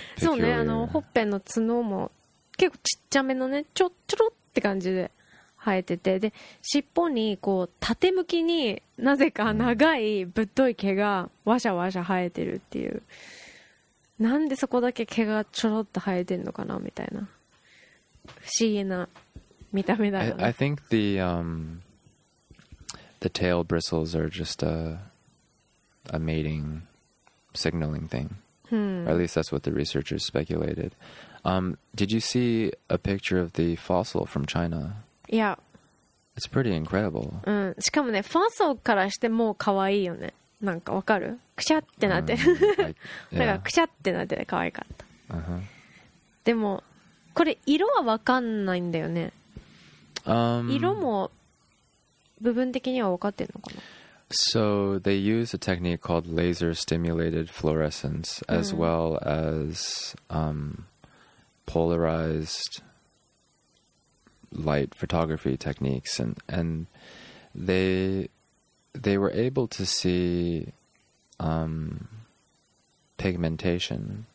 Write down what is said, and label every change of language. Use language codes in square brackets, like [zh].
[ja] そうね、あのほっぺの角も結構ちっちゃめのね、ちょっちょろって感じで生えてて、で尻尾にこう縦向きになぜか長いぶっとい毛がわしゃわしゃ生えてるっていう、なんでそこだけ毛がちょろっと生えてんのかなみたいな不思議な見た目だよね。 [en] I think the tail bristles are just a mating signaling thing. Hmm. Or at least that's what the researchers speculated. Did you see a picture of the fossil from China? Yeah. It's pretty incredible. [ja] うん。しかもね、ファソからしてもう可愛いよね。なんかわかる？くしゃってなってる。なんかくしゃってなってて可愛かった。でも、これ色はわかんないんだよね。色も部分的にはわかってるのかな？ [en] So they use a technique called laser stimulated fluorescence as well as polarized light photography techniques, and they were able to see pigmentation.